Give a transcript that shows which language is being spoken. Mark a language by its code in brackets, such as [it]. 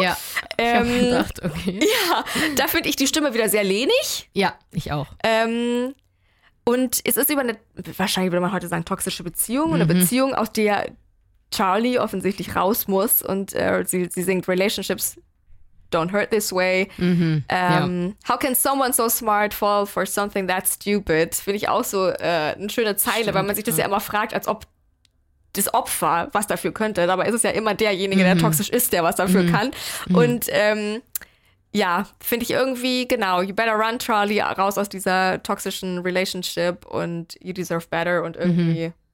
[de] Ja. Ich hab gedacht, okay. Ja, da finde ich die Stimme wieder sehr lehnig. Ja, ich auch. Und es ist über eine, wahrscheinlich würde man heute sagen, toxische Beziehung, eine Beziehung, aus der Charlie offensichtlich raus muss und sie singt Relationships. [en] Don't hurt this way. How can someone so smart fall for something that stupid? [de] Finde ich auch so eine schöne Zeile, weil man sich das ja immer fragt, als ob das Opfer was dafür könnte. Dabei ist es ja immer derjenige, der toxisch ist, der was dafür kann. Und finde ich irgendwie, [en] you better run, Charlie, [de] raus aus dieser toxischen Relationship und [en] you deserve better [de] und irgendwie.